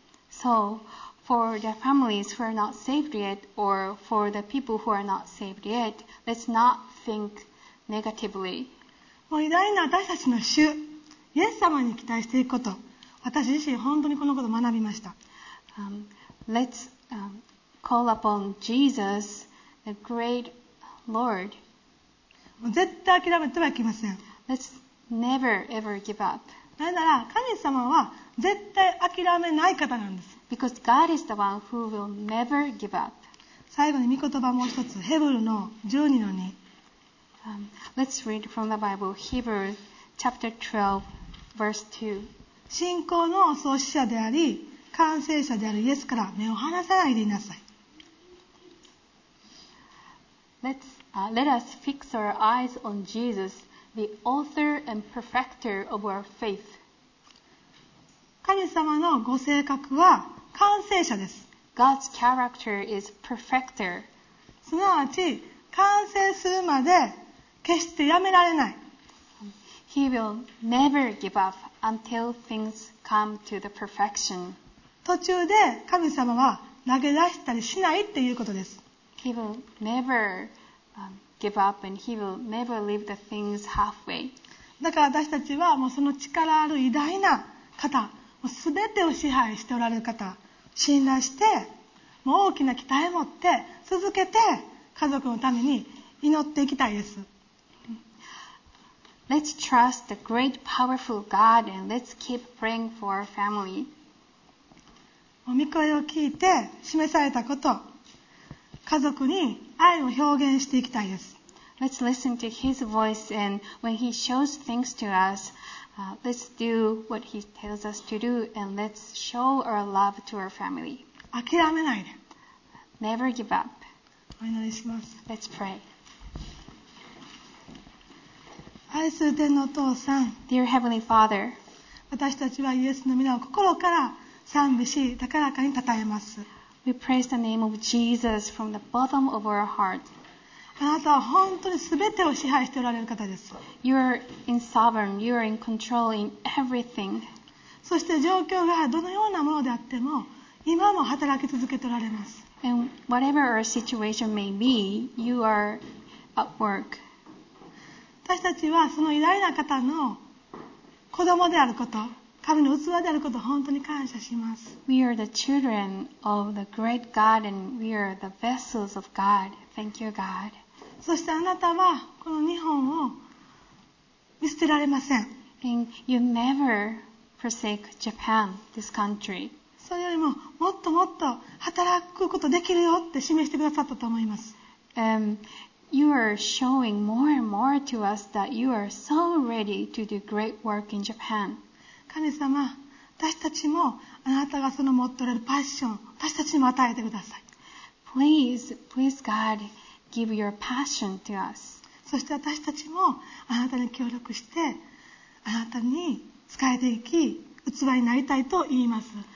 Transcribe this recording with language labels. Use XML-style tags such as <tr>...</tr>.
<en>So, for the families who are not saved yet, or for the people who are not saved yet, let's not think negatively.</en> <ja>偉大な私たちの主、イエス様に期待していくこと。私自身本当にこのことを学びました。</ja> <en>Let's call upon Jesus, the great Lord.</en> <ja>絶対諦めてはいけません。</ja> <en>Let's never ever give up.</en> <ja>なぜなら神様は絶対諦めない方なんです。</ja> <en>Because God is the one who will never give up.</en> <ja>最後に御言葉もう一つ、ヘブルの12の2。</ja> <en>Let's read from the Bible, Hebrews chapter 12, verse 2.</en> <ja>信仰の創始者であり、完成者であるイエスから目を離さないでいなさい。</ja> <en>Let us fix our eyes on Jesus, the author and perfecter of our faith.</en> <ja>神様のご性格は完成者です。</ja> <en>God's character is perfecter.</en> <ja>すなわち、完成するまで決してやめられない。</ja> <en>He will never give up until things come to the perfection.</en> <ja>途中で神様は投げ出したりしないっていうことです。</ja> <en>He will never give up and he will never leave the things halfway.</en> <ja>だから私たちはもうその力ある偉大な方、もう全てを支配しておられる方、信頼して、もう大きな期待を持って続けて家族のために祈っていきたいです。</ja> <en>Let's trust the great, powerful God and let's keep praying for our family.</en> <ja>御声を聞いて示されたこと、家族に愛を表現していきたいです。</ja> <en>Let's listen to His voice and when He shows things to us, let's do what He tells us to do and let's show our love to our family.</en> <ja>諦めないで。</ja> <en>Never give up.</en> <ja>お祈りします。</ja> <en>Let's pray.</en> <ja>愛する天のお父さん、</ja> <en>Dear Heavenly Father,</en> <ja>私たちはイエスの名を心から賛美し、高らかに称えます。</ja> <en>We praise the name of Jesus from the bottom of our heart.</en> <ja>あなたは本当に全てを支配しておられる方です。</ja> <en>You are in sovereign, you are in control in everything.</en> <ja>そして状況がどのようなものであっても、今も働き続けておられます。</ja> <en>And whatever our situation may be, you are at work.</en> <ja>私たちはその偉大な方の子供であること、神の器であることを本当に感謝します。</ja> <en>We are the children of the great God and we are the vessels of God. Thank you, God.</en> <ja>そしてあなたはこの日本を見捨てられません。</ja> <en>And you never forsake Japan, this country.</en> <ja>それよりももっともっと働くことできるよって示してくださったと思います。</ja> <en>You are showing more and more to us that you are so ready to do great work in Japan.</en> <ja>神様、私たちもあなたがその持っておられるパッション、私たちにも与えてください。</ja> <en>Please, please God, give your passion to us.</en> <ja>そして私たちもあなたに協力して、あなたに仕えていき、器になりたいと言います。</ja>